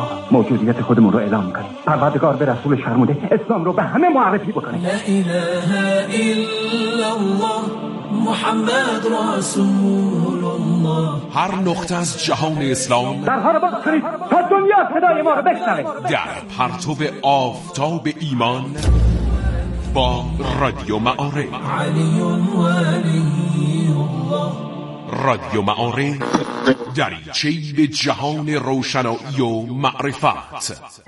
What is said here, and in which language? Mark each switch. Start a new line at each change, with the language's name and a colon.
Persian: موجودیت خودمون رو اعلام کنیم. پروردگار به رسول شرموده اسلام رو به همه معرفی بکنه.
Arabic: لا اله الا الله محمد رسول الله.
Persian: هر نقطه از جهان اسلام درها رو باز کنید تا دنیا صدای ما رو بشنوه. در پرتو آفتاب ایمان با رادیو معارف،
Arabic: علی و علی الله.
Persian: رادیو معارف دریچه‌ای به جهان روشنایی و معرفت.